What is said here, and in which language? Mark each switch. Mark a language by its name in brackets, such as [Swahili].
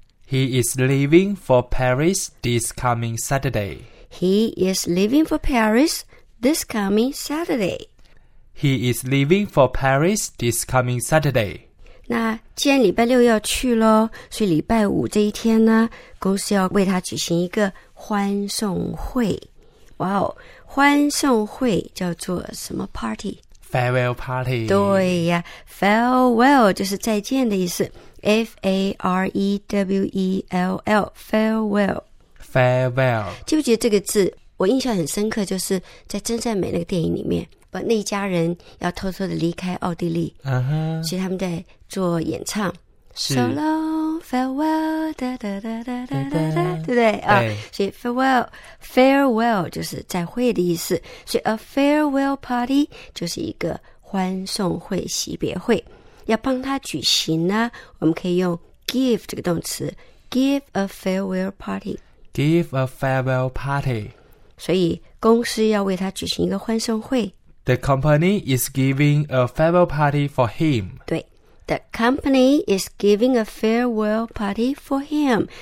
[English] He is leaving for Paris this coming Saturday。 He is leaving for Paris this coming Saturday。 He is leaving for Paris this coming Saturday。 [Chinese] 那既然礼拜六要去咯，所以礼拜五这一天呢，公司要为他举行一个欢送会。哇哦，欢送会叫做什么 party? [English] Farewell party。 [Chinese] 对呀， Farewell 就是再见的意思， F-A-R-E-W-E-L-L Farewell。 [English] Farewell， [Chinese] 记不记得这个字我印象很深刻，就是在真善美那个电影里面，那一家人要偷偷的离开奥地利，所以他们在做演唱 [English] So long, farewell, [Chinese] 哒哒哒哒哒哒哒，对不对？所以 farewell 就是再会的意思，所以 a farewell party 就是一个欢送会、惜别会。要帮他举行呢，我们可以用 give 这个动词 [English] give a farewell party， give a farewell party。 [Chinese] 所以公司要为他举行一个欢送会。 [English] The company is giving a farewell party for him. [Chinese] 对， [English] The company is giving a farewell party for him.